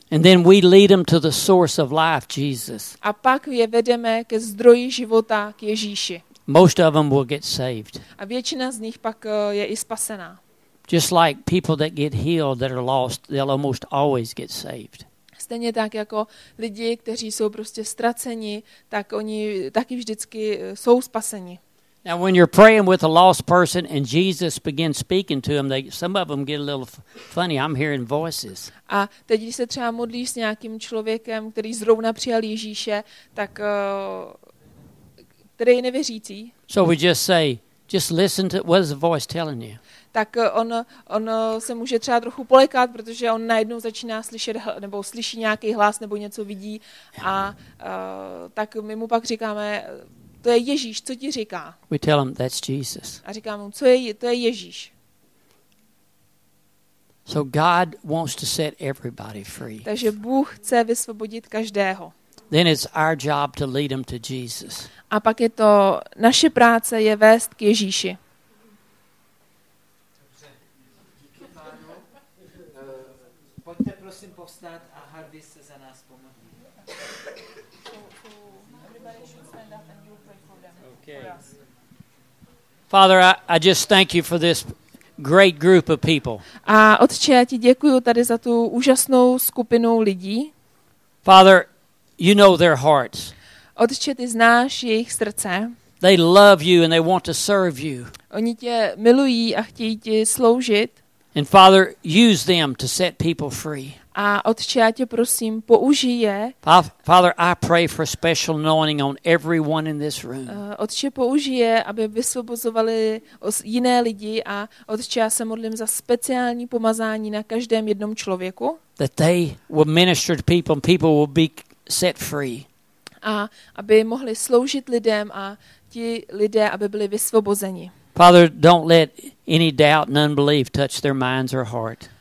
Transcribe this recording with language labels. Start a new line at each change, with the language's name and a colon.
English: And then we lead them to the source of life, Jesus.
Czech: A pak je vedeme ke zdroji života, k Ježíši.
English: Most of them will get saved.
Czech: A většina z nich pak je i spasená.
English: Just like people that get healed that are lost, they'll almost always get saved.
Czech: Stejně tak jako lidi, kteří jsou prostě ztraceni, tak oni taky vždycky jsou spaseni.
English: Now when you're praying with a lost person and Jesus begins speaking to them, some of them get a little funny. I'm hearing voices.
Czech: A teď, když se třeba modlíš s nějakým člověkem, který zrovna přijal Ježíše, tak který je nevěřící.
English: So we just say, just listen to what is the voice telling you.
Czech: Tak on se může třeba trochu polekat, protože on najednou začíná slyšet nebo slyší nějaký hlas nebo něco vidí a tak my mu pak říkáme, to je Ježíš, co ti říká?
English: We tell him that's Jesus.
Czech: A říkáme mu, to je Ježíš.
English: So God wants to set everybody free.
Czech: Takže Bůh chce vysvobodit každého.
English: Then it's our job to lead him to Jesus.
Czech: A pak je to naše práce je vést k Ježíši. Pojďte prosím povstát a Harvey se za nás pomodlí.
English: Father, I just thank you for this great group of people.
Czech: A Otče, já ti děkuju tady za tu úžasnou skupinu lidí.
English: Father, you know their hearts.
Czech: Otče, ty znáš jejich srdce.
English: They love you and they want to serve you.
Czech: Oni tě milují a chtějí ti sloužit.
English: And Father, use them to set people free.
Czech: A Otče, já tě prosím, použij je.
English: Father, I pray for a special anointing on everyone in this room.
Czech: Otče, použij je, aby vysvobozovali jiné lidi a Otče, já se modlím za speciální pomazání na každém jednom člověku.
English: That they will minister to people and people will be set free.
Czech: A aby mohli sloužit lidem a ti lidé, aby byli vysvobozeni.
English: Father, don't let any doubt and unbelief touch their minds or heart.